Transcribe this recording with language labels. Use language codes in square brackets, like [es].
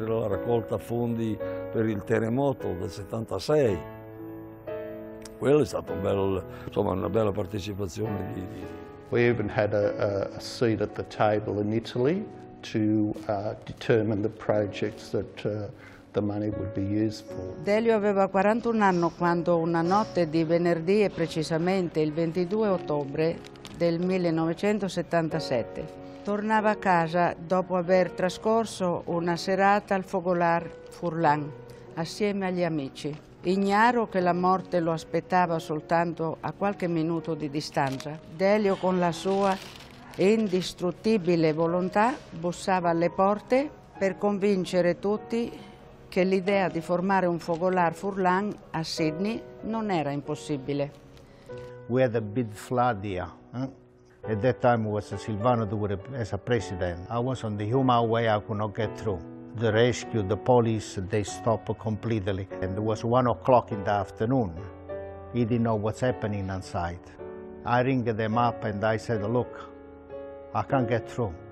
[it] la raccolta fondi per il terremoto del 76. Quello è stato una bella partecipazione. [en] We even had a seat at the table in Italy to determine the projects that the money would be used for. [it] Delio aveva 41 anni quando una notte di venerdì, e precisamente il 22 ottobre del 1977, tornava a casa dopo aver trascorso una serata al Fogolar Furlan assieme agli amici. Ignaro che la morte lo aspettava soltanto a qualche minuto di distanza, Delio con la sua indistruttibile volontà bussava alle porte per convincere tutti che l'idea di formare un Fogolar Furlan a Sydney non era impossibile. [en] We had a big flood here. At that time was Silvano Dure as a president. I was on the human way, I could not get through. The rescue, the police, they stopped completely. And it was 1 o'clock in the afternoon. He didn't know what's happening inside. I ring them up and I said, look, I can't get through.